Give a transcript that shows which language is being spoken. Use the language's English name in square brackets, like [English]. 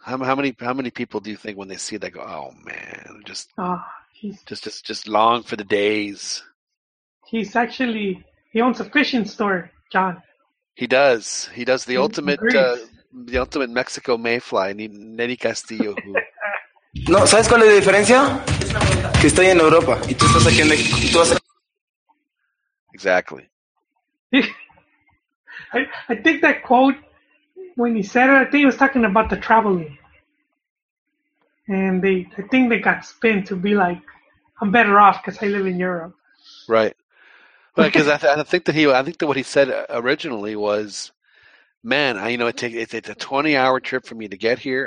[English] How many people do you think when they see it, they go, oh man, just long for the days? He owns a fishing store, John. He does. He does the ultimate Mexico Mayfly, Nelly Castillo. Who... [Spanish] No, ¿sabes cuál es la diferencia? Que estoy en Europa y tú estás aquí en México. [English] Exactly. I think that quote, when he said it, I think he was talking about the traveling. And I think they got spin to be like, I'm better off because I live in Europe. Right. Because I think that what he said originally was, man, it's a 20-hour trip for me to get here.